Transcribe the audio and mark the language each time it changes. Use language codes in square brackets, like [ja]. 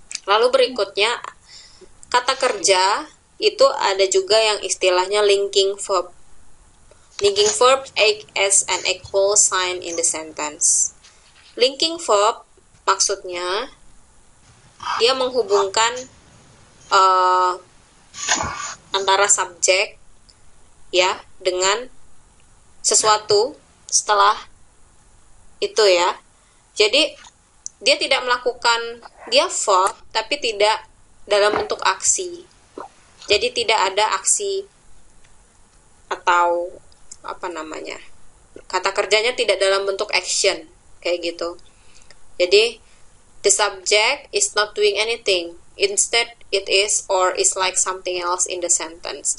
[id] Lalu berikutnya, kata kerja itu ada juga yang istilahnya linking verb. [en] Linking verb as an equal sign in the sentence. [id] Linking verb maksudnya, dia menghubungkan antara subjek ya dengan sesuatu setelah itu ya. Jadi dia tidak melakukan, dia verb tapi tidak dalam bentuk aksi. Jadi tidak ada aksi atau apa namanya, kata kerjanya tidak dalam bentuk action kayak gitu. Jadi [en] the subject is not doing anything, instead it is or is like something else in the sentence.